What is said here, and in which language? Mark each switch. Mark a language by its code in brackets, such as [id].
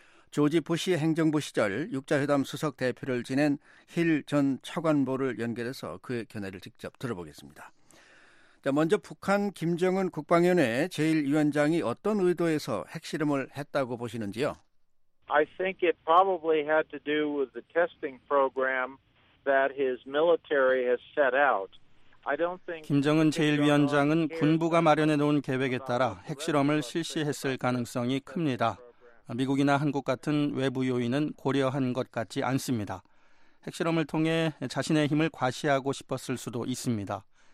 [ko] 조지 부시 행정부 시절 육자회담 수석 대표를 지낸 힐 전 차관보를 연결해서 그의 견해를 직접 들어보겠습니다. 자, 먼저 북한 김정은 국방위원회 제1위원장이 어떤 의도에서 핵실험을 했다고 보시는지요? [en] I think it probably had to do with the testing program that his military has set out. [ko] 김정은 제1위원장은 군부가 마련해 놓은 계획에 따라 핵실험을 실시했을 가능성이 큽니다. 미국이나 한국 같은 외부 요인은 고려한 것 같지 않습니다. 핵실험을 통해 자신의 힘을 과시하고 싶었을 수도 있습니다.